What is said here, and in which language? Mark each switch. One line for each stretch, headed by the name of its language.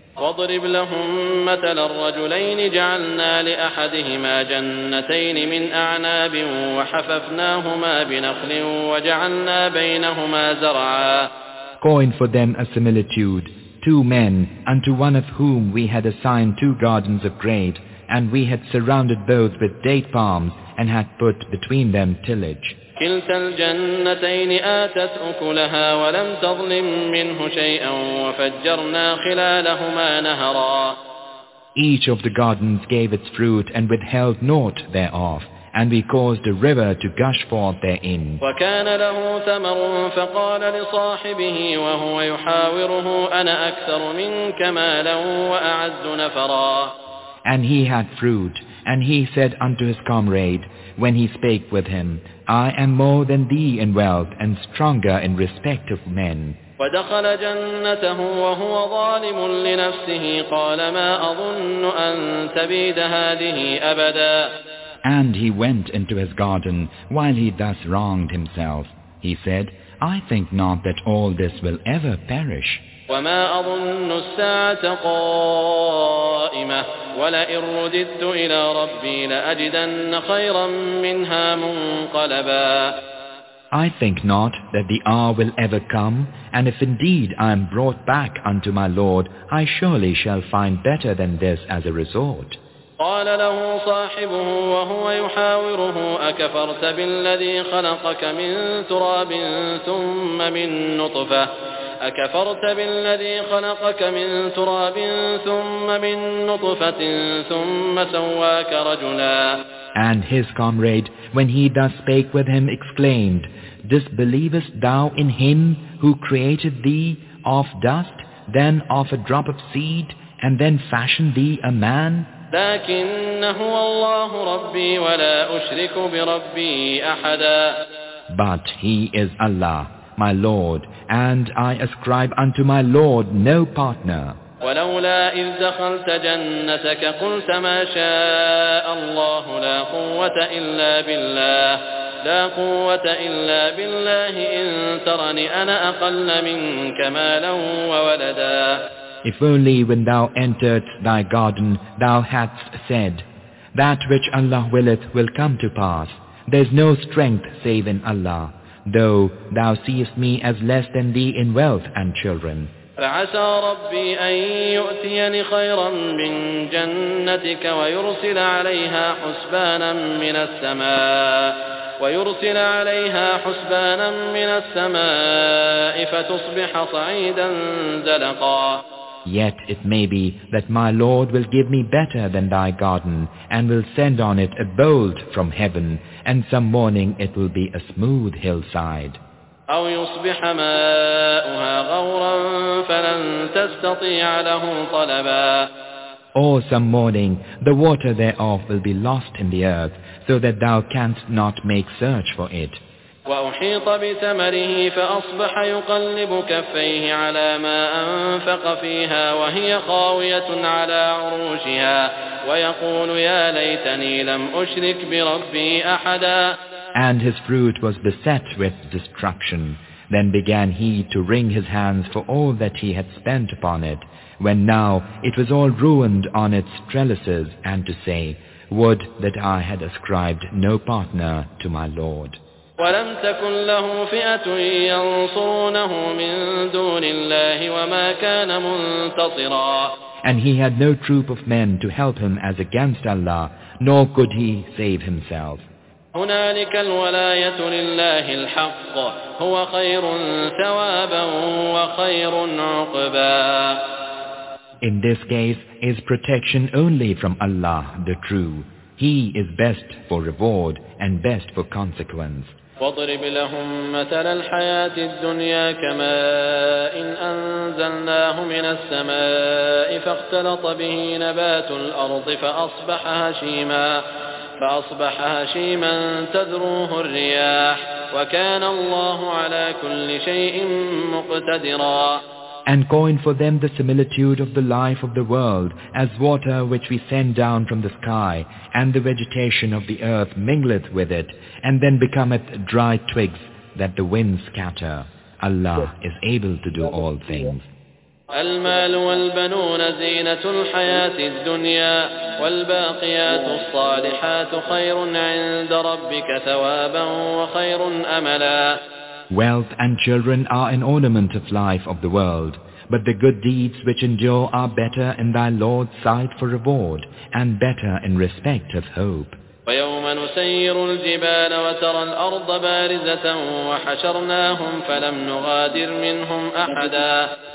Arabic: وَاضْرِبْ لَهُمْ مَثَلَ الرَّجُلَيْنِ جَعَلْنَا لِأَحَدِهِمَا جَنَّتَيْنِ مِنْ أَعْنَابٍ وَحَفَفْنَاهُمَا بِنَخْلٍ وَجَعَلْنَا بَيْنَهُمَا زَرْعًا.
English: Coin for them a similitude, two men, unto one of whom we had assigned two gardens of grapes, and we had surrounded both with date palms, and had put between them tillage.
Arabic: كلتا الجنتين آتت أكلها ولم تظلم منه شيئا وفجرنا خلالهما نهرا.
English: Each of the gardens gave its fruit and withheld naught thereof, and we caused a river to gush forth therein.
Arabic: وكان له ثمر فقال لصاحبه وهو يحاوره أنا أكثر منك مالا وأعز نفرا.
English: And he had fruit, and he said unto his comrade, when he spake with him, I am more than thee in wealth and stronger in respect of men.
Arabic: وَدَخَلَ جَنَّتَهُ وَهُوَ ظَالِمٌ لِنَفْسِهِ قَالَ مَا أَظُنُّ أَن تَبِيدَ هَذِهِ أَبَدًا.
English: And he went into his garden while he thus wronged himself. He said, I think not that all this will ever perish.
Arabic: وَمَا أَظُنُّ السَّاعَةَ قَائِمَةً وَلَئِن رُّدِدتُّ إِلَى رَبِّي لَأَجِدَنَّ خَيْرًا مِّنْهَا مُنقَلَبًا.
English: I think not that the hour will ever come, and if indeed I am brought back unto my Lord, I surely shall find better than this as a resort.
Arabic: قَالَ لَهُ صَاحِبُهُ وَهُوَ يُحَاوِرُهُ أَكَفَرْتَ بِالَّذِي خَلَقَكَ مِن تُرَابٍ ثُمَّ مِن نُّطْفَةٍ أكفرت بالذي خلقك من تراب ثم من نطفة ثم سواك رجلا.
English: And his comrade, when he thus spake with him, exclaimed, Disbelievest thou in him who created thee of dust, then of a drop of seed, and then fashioned thee a man?
Arabic: لكن هو الله ربي ولا أشرك بربي أحدا.
English: But he is Allah, my Lord, and I ascribe unto my Lord no partner.
Arabic: ولولا إذ دخلت جنتك قلت ما شاء الله لا قوة إلا بالله لا قوة إلا بالله إن ترني أنا أقل منك مالا وولدا.
English: If only when thou enteredst thy garden thou hadst said, That which Allah willeth will come to pass. There's no strength save in Allah. Though thou seest me as less than thee in wealth and children.
Arabic: فَعَسَى رَبِّي أَن يُؤْتِيَنِ خَيْرًا مِّن جَنَّتِكَ وَيُرْسِلَ عَلَيْهَا حُسْبَانًا مِّنَ السَّمَاءِ وَيُرْسِلَ عَلَيْهَا حُسْبَانًا مِّنَ السَّمَاءِ فَتُصْبِحَ صَعِيدًا زَلَقًا.
English: Yet it may be that my Lord will give me better than thy garden, and will send on it a bolt from heaven, and some morning it will be a smooth hillside.
Arabic: أو يصبح ماؤها غورا فلن تستطيع له طلبا.
English: Or some morning the water thereof will be lost in the earth, so that thou canst not make search for it.
Arabic: وأحيط بثمره فأصبح يقلب كفيه على ما أنفق فيها وهي خاوية على عروشها ويقول يا ليتني لم أشرك بربي أحدا.
English: And his fruit was beset with destruction. Then began he to wring his hands for all that he had spent upon it, when now it was all ruined on its trellises, and to say, Would that I had ascribed no partner to my Lord.
Arabic: ولم تكن له فئة ينصرونه من دون الله وما كان منتصرا.
English: And he had no troop of men to help him as against Allah, nor could he save himself.
Arabic: هنالك الولاية لله الحق هو خير ثوابا وخير عقبا.
English: In this case is protection only from Allah the true. He is best for reward and best for consequence.
Arabic: وَاضْرِبْ لَهُمْ مَثَلَ الْحَيَاةِ الدُّنْيَا كَمَا إِنْ أَنْزَلْنَاهُ مِنَ السَّمَاءِ فَاخْتَلَطَ بِهِ نَبَاتُ الْأَرْضِ فَأَصْبَحَ هَشِيمًا فأصبح هشيما تذروه الرياح وكان الله على كل شيء مقتدرا.
English: And coin for them the similitude of the life of the world as water which we send down from the sky, and the vegetation of the earth mingleth with it, and then becometh dry twigs that the winds scatter. Allah is able to do all things.
Arabic: المال والبنون زينة الحياة الدنيا والباقيات الصالحات خير عند ربك ثوابا وخير أملا.
English: Wealth and children are an ornament of life of the world, but the good deeds which endure are better in thy Lord's sight for reward and better in respect of hope.
Arabic: ويوم نسير الجبال وترى الأرض بارزة وحشرناهم فلم نغادر منهم أحدا.